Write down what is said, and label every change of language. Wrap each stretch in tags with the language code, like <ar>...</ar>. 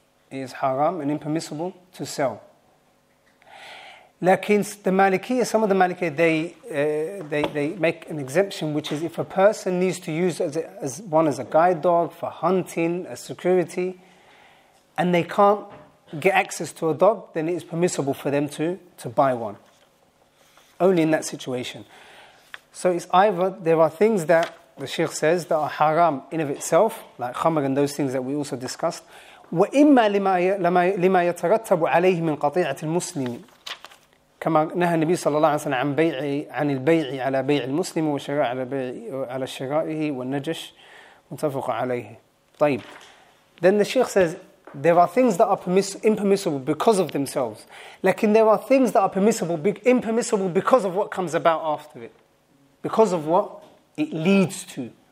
<en>It is haram and impermissible to sell. Lakin, the Malikiyah, some of the Malikiyah, they make an exemption, which is if a person needs to use as a guide dog for hunting, as security, and they can't get access to a dog, then it is permissible for them to buy one. Only in that situation. So it's either, there are things that the Sheikh says that are haram in of itself, like khamr and those things that we also discussed.</en> <ar>وَإِمَّا لِمَا يَتَرَتَّبُ عَلَيْهِ مِنْ قَطِيعَةِ الْمُسْلِمِينَ كما نهى النبي صلى الله عليه وسلم عن بيع عن البيع على بيع المسلم وشراء على بيع على شرائه والنجش متفق عليه. طيب.</ar> <en>Then the Sheikh says there are things that are impermissible because of themselves.</en> <ar>لكن</ar> <en>there are things that are impermissible because of what comes about after it, because of what it leads to.</en>